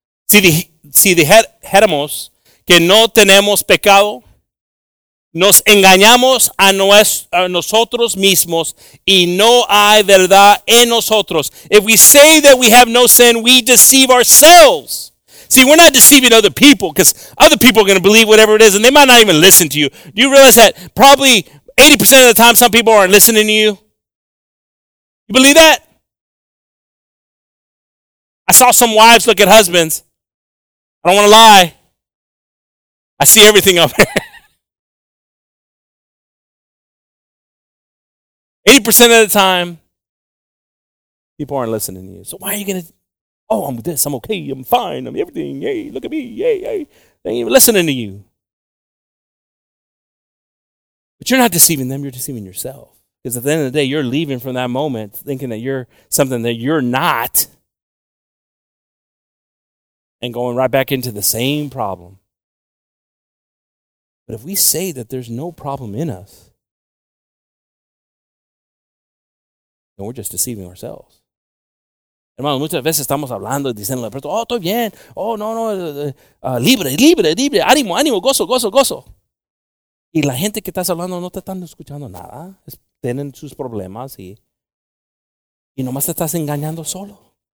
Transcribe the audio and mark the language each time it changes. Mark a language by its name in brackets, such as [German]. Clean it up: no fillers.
[Spanish] Si dijéramos que no tenemos pecado, nos engañamos a nosotros mismos y no hay verdad en nosotros. [English] If we say that we have no sin, we deceive ourselves. See, we're not deceiving other people because other people are going to believe whatever it is and they might not even listen to you. Do you realize that probably 80% of the time some people aren't listening to you? You believe that? I saw some wives look at husbands. I don't want to lie. I see everything up there. 80% of the time, people aren't listening to you. So why are you going to, oh, I'm this, I'm okay, I'm fine, I'm everything, yay, look at me, yay, yay. They ain't even listening to you. But you're not deceiving them, you're deceiving yourself. Because at the end of the day, you're leaving from that moment thinking that you're something that you're not. And going right back into the same problem. But if we say that there's no problem in us, then we're just deceiving ourselves. [Spanish] Hermano, muchas veces estamos hablando y diciendo, oh, estoy bien. Oh, no, no. Libre. Ánimo, ánimo. Gozo. Y la gente que estás hablando no te están escuchando nada. Tienen sus problemas y nomás te estás engañando solo.